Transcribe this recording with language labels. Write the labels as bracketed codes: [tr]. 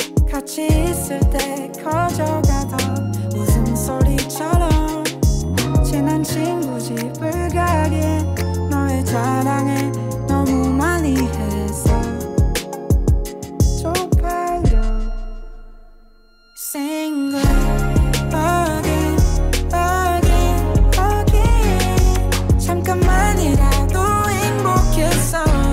[ko] 같이 있을 때 커져가던 웃음소리처럼 친한 친구 집을 가게. 사랑해 너무 많이 해서 쪽팔려. [en] Single again, again, again. [ko] 잠깐만이라도 행복했어.